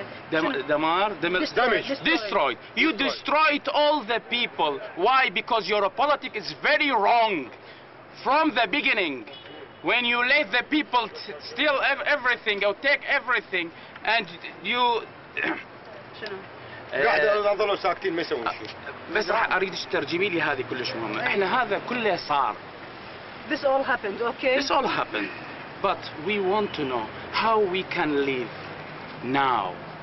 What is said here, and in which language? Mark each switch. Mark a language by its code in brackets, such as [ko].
[en] Destroyed. You destroyed all the people. Why? Because your politic is very wrong. From the beginning, when you let the people steal everything or take everything, and you... [ar] نظلوا ساكتين ما يسوي شيء. بس راح اريد تترجمي لي هذه كلش مهمة. احنا هذا كله صار. [en] This all happened, okay? This all happened. But we want to know how we can live now.